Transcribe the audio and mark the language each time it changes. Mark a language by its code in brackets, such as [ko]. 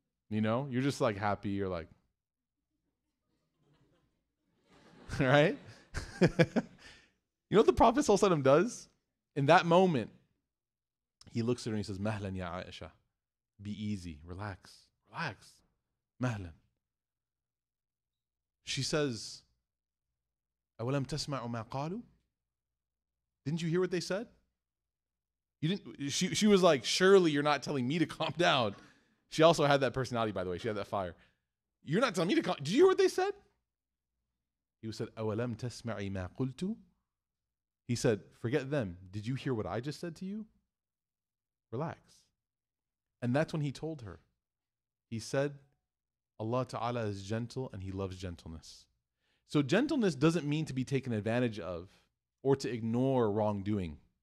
[en] You know, you're just like happy. You're like, right? You know what the Prophet Sallallahu Alaihi Wasallam does? In that moment, he looks at her and he says, [ar] Mahlan ya Aisha, [en] be easy, relax, Relax. Mahlan. She says, [ar] أَوَلَمْ تَسْمَعُ مَا قَالُوا? [en] Didn't you hear what they said? You didn't. She was like, surely you're not telling me to calm down. She also had that personality, by the way. She had that fire. You're not telling me to calm. Did you hear what they said? He said, [ar] أَوَلَمْ تَسْمَعِ مَا قُلْتُ? [en] He said, forget them. Did you hear what I just said to you? Relax. And that's when he told her. He said, Allah Ta'ala is gentle and he loves gentleness. So gentleness doesn't mean to be taken advantage of or to ignore wrongdoing.